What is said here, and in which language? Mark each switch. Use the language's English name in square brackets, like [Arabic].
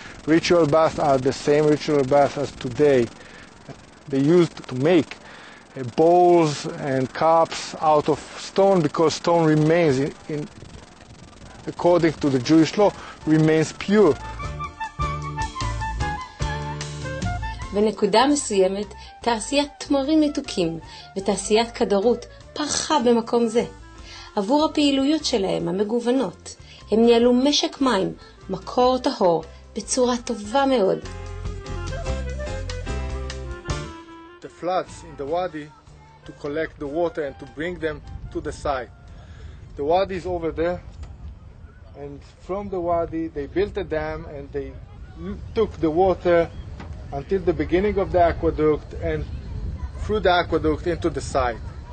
[English] Ritual baths are the same ritual baths as today. They used to make bowls and cups out of stone because stone remains, in according to the Jewish law, remains pure. [Hebrew] בנקודה מסוימת תעשיית תמרים מתוקים ותעשיית כדורות פרחה במקום זה. עבור הפעילויות שלהם המגוונות, הם ניהלו משק מים, מקור טהור, בצורה טובה מאוד. [English] The floods in the wadi to collect the water and to bring them to the site. The wadi is over there, and from the wadi they built a dam and they took the water until the beginning of the aqueduct and through the aqueduct into the site.